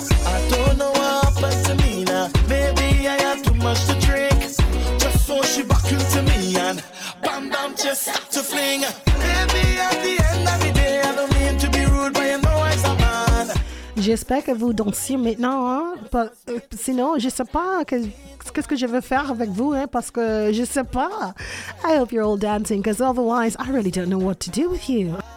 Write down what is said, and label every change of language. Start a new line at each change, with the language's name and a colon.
English: I don't know what happened to me now. Maybe I have too much to drink. She buckled to me and bam bam just start to fling. Maybe at the end of the day, I don't mean to be rude, but you know I'm a man.
French: J'espère que vous dansiez maintenant, hein? Sinon, je sais pas qu'est-ce que je vais faire avec vous, hein? Parce que je sais pas.
English: I hope you're all dancing, because otherwise, I really don't know what to do with you.